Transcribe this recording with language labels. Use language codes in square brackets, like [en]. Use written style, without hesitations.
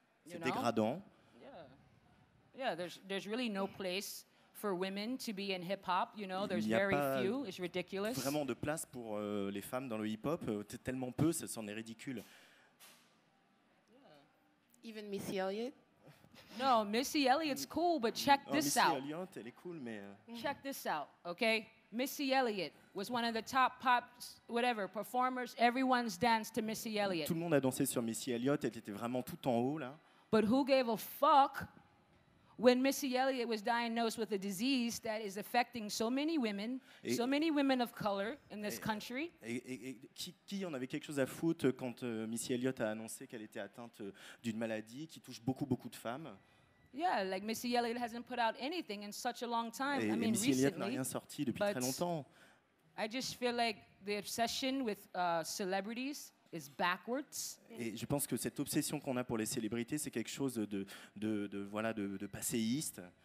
[fr] C'est dégradant. [en] Yeah. Yeah, there's really no place for women to be in hip-hop, you know? There's very few. It's ridiculous. [fr] Il n'y a pas vraiment de place pour les femmes dans le hip-hop. C'est tellement peu, ça s'en est ridicule. [en] Even Missy Elliott? No, Missy Elliott's cool, but check this out. [fr] Missy Elliott, elle est cool, mais... [en] Check this out, okay? Missy Elliott was one of the top pops, whatever, performers. Everyone's danced to Missy Elliott. [fr] Tout le monde a dansé sur Missy Elliott. Elle était vraiment tout en haut, là. [en] But who gave a fuck when Missy Elliott was diagnosed with a disease that is affecting so many women, so many women of color in this country? [fr] Qui en avait quelque chose à foutre quand Missy Elliott a annoncé qu'elle était atteinte d'une maladie qui touche beaucoup, beaucoup de femmes? [en] Yeah, like Missy Elliott hasn't put out anything in such a long time. I mean, [fr] Missy Elliott n'a rien sorti depuis très longtemps. [en] I just feel like the obsession with celebrities is backwards. [fr] Et je pense que cette obsession qu'on a pour les célébrités, c'est quelque chose de passéiste.